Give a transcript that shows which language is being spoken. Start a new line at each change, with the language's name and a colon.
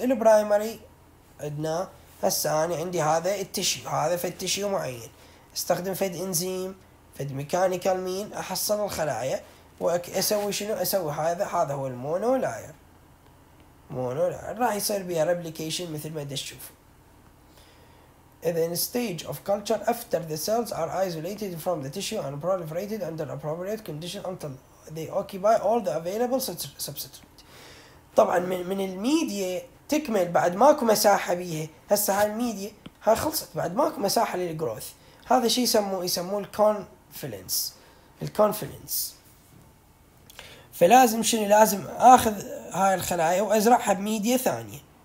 Arabic: البرايمري عندنا هسه انا عندي هذا التشيو، هذا في التشيو معين استخدم فد انزيم فد ميكانيكال مين احصل الخلايا واسوي شنو اسوي، هذا هو المونولاير. مونولاير راح يصير بيها ريبليكيشن مثل ما تشوف.
English: Then stage of culture after the cells are isolated from the tissue and proliferated under appropriate condition until they occupy all the available substrate.
Arabic: طبعا من الميديا تكمل بعد ماكو مساحه بيها، هسه هاي الميديا هاي خلصت بعد ماكو مساحه للجروث، هذا شيء يسموه الكونفلنس. الكونفلنس فلازم شنو، لازم اخذ هاي الخلايا وازرعها بميديا ثانيه.